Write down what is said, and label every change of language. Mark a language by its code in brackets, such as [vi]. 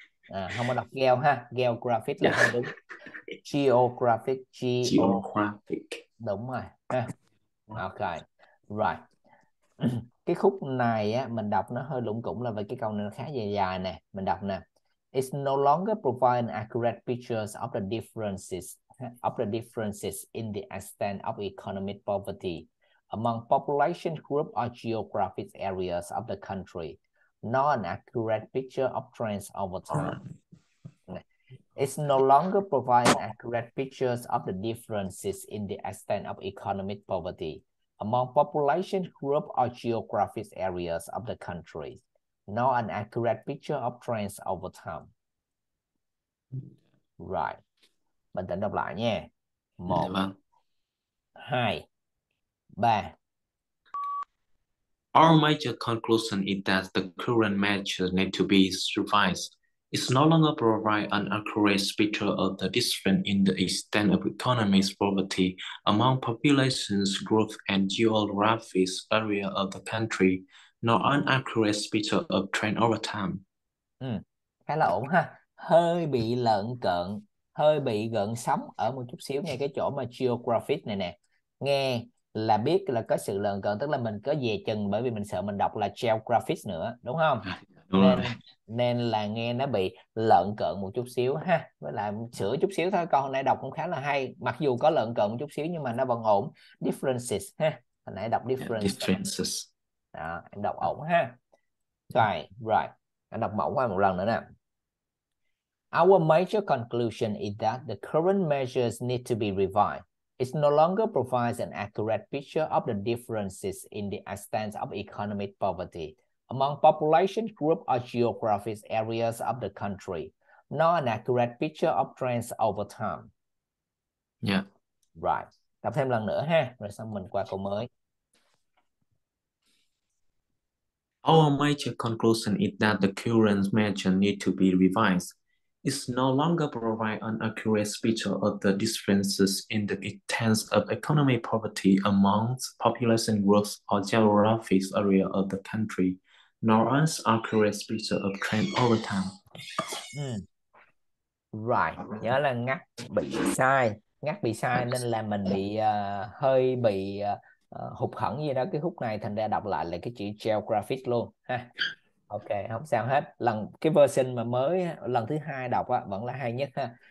[vi] Không có đọc geo ha, geographic là không đúng. [en] Geographic, geographic. [vi] Đúng rồi ha. Ok. Right. Cái khúc này á mình đọc nó hơi lủng củng, là về cái câu này nó khá dài dài nè, mình đọc nè. [en] It's no longer providing accurate pictures of the differences in the extent of economic poverty among population group or geographic areas of the country. Not an accurate picture of trends over time. It's no longer providing accurate pictures of the differences in the extent of economic poverty among population group or geographic areas of the country. Not an accurate picture of trends over time. [vi] Right. Mình tính đọc lại nha. Một, hai, ba. [en] Our major conclusion is that the current measures need to be revised. It no longer provides an accurate picture of the difference in the extent of economic poverty among populations, growth, and geographic area of the country, nor an accurate picture of trend over time. [vi] Khá là ổn ha. Hơi bị lợn cợn, hơi bị gợn sóng ở một chút xíu ngay cái chỗ mà geographic này nè. Nghe là biết là có sự lợn cợn, tức là mình có dè chừng bởi vì mình sợ mình đọc là geographics nữa, đúng không? Nên là nghe nó bị lợn cợn một chút xíu ha, với lại sửa chút xíu thôi, còn hôm nay đọc cũng khá là hay, mặc dù có lợn cợn một chút xíu nhưng mà nó vẫn ổn. Differences ha, hồi nãy đọc differences. Đó, em đọc ổn ha. Right, anh đọc mẫu qua một lần nữa nè. [en] Our major conclusion is that the current measures need to be revised. It no longer provides an accurate picture of the differences in the extent of economic poverty among population group or geographic areas of the country, nor an accurate picture of trends over time. Yeah. Right. [vi] Đọc thêm lần nữa ha, rồi xong mình qua câu mới. [en] Our major conclusion is that the current measure need to be revised. It no longer provides an accurate picture of the differences in the extent of economic poverty among population growth or geographic area of the country, nor as accurate picture of trend over time. [vi] Right, nhớ là ngắt bị sai, ngắt bị sai nên là mình bị hơi bị hụt hẫng gì đó cái khúc này, thành ra đọc lại là cái chữ geographic luôn ha. Ok, không sao hết. Lần cái version mà mới lần thứ hai đọc á vẫn là hay nhất ha.